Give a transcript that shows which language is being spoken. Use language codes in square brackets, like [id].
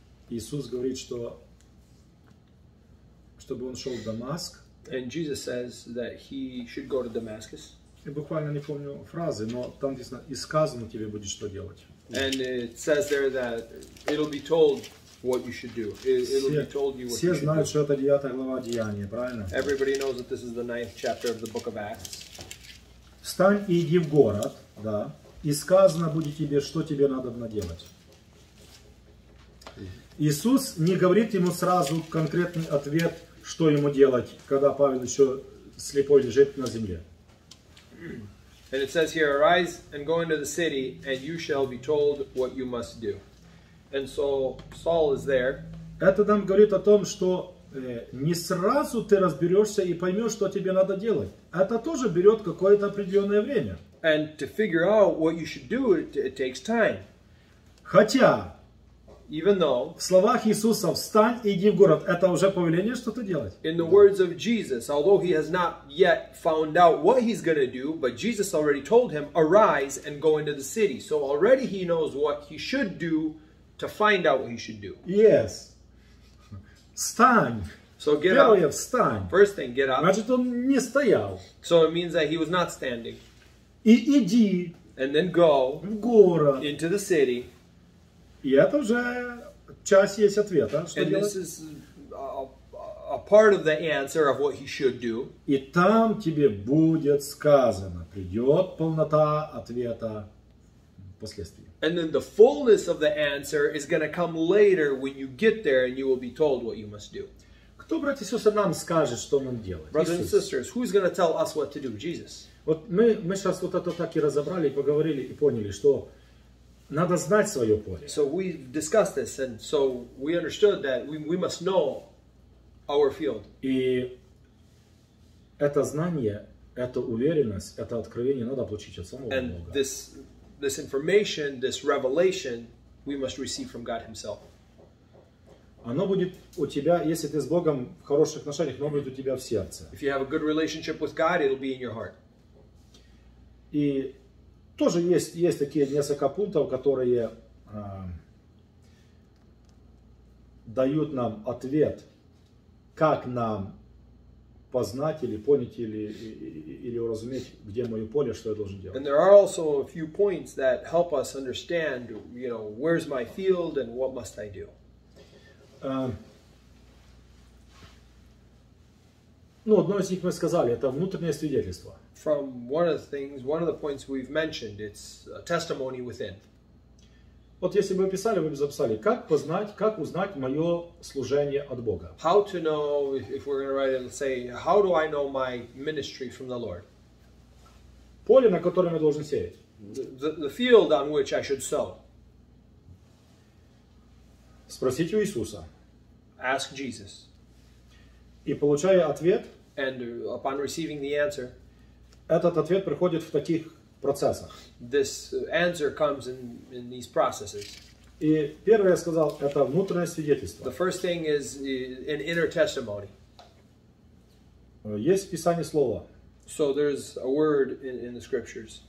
[ru] Иисус говорит, что чтобы он шел в Дамаск. [en] And Jesus says that he should go to Damascus. [ru] И буквально не помню фразы, но там написано, и сказано тебе будет что делать. [en] And it says there that it'll be told what you should do. [ru] Все знают, что это 9 глава Деяния, правильно? [en] Everybody knows that this is the 9th chapter of the book of Acts. [ru] Встань и иди в город, да, и сказано будет тебе, что тебе надо наделать. Иисус не говорит ему сразу конкретный ответ, что ему делать, когда Павел еще слепой лежит на земле. [en] And it says here, arise and go into the city, and you shall be told what you must do. And so Saul is there. [ru] Это нам говорит о том, что не сразу ты разберешься и поймешь, что тебе надо делать. Это тоже берет какое-то определенное время. [en] And to figure out what you should do, it takes time. [ru] Хотя, [en] even though, [ru] в словах Иисуса, встань и иди в город, это уже повеление что-то делать. [en] In the words of Jesus, although he has not yet found out what he's going to do, but Jesus already told him, arise and go into the city. So already he knows what he should do to find out what he should do. Yes. [ru] Встань. [en] So get [ru] первое, [en] up. [ru] Встань. [en] First thing, get up. [ru] Значит, он не стоял. [en] So it means that he was not standing. [ru] И иди. [en] And then go. [ru] В город. [en] Into the city. [ru] И это уже часть есть ответа, что [en] and [ru] делать. [en] And this is a part of the answer of what he should do. [ru] И там тебе будет сказано, придет полнота ответа впоследствии. [en] And then the fullness of the answer is going to come later when you get there and you will be told what you must do. [ru] Кто, братья и сестры, нам скажет, что нам делать? [en] Brothers and sisters, who's going to tell us what to do? Jesus. [ru] Вот мы сейчас вот это так и разобрали, поговорили и поняли, что надо знать свое поле. [en] So we discussed this and so we understood that we must know our field. [ru] И это знание, это уверенность, это откровение надо получить от самого [en] and [ru] Бога. [en] This information, this revelation, we must receive from God Himself. [ru] Оно будет у тебя, если ты с Богом в хороших отношениях, оно будет у тебя в сердце. [en] If you have a good relationship with God, it'll be in your heart. [ru] И тоже есть такие несколько пунктов, которые дают нам ответ, как нам познать или понять или уразуметь, где мое поле, что я должен делать. [en] And there are also a few points that help us understand, you know, where's my field and what must I do. [ru] Ну, одно из них мы сказали, это внутреннее свидетельство. [en] From one of the points we've mentioned, it's a testimony within. [ru] Вот если бы вы писали, вы бы записали, как познать, как узнать мое служение от Бога. [en] How to know, if we're going to write it, let's say, how do I know my ministry from the Lord? [ru] Поле, на котором я должен сеять. [en] The field on which I should sow. [ru] Спросите у Иисуса. [en] Ask Jesus. [ru] И получая ответ. [en] And upon receiving the answer. [ru] Этот ответ приходит в таких процессах. [en] This answer comes in these processes. [ru] И первое, я сказал, это внутреннее свидетельство. [en] The first thing is an inner testimony. [ru] Есть в Писании слово. [en] So there's a word in the scriptures.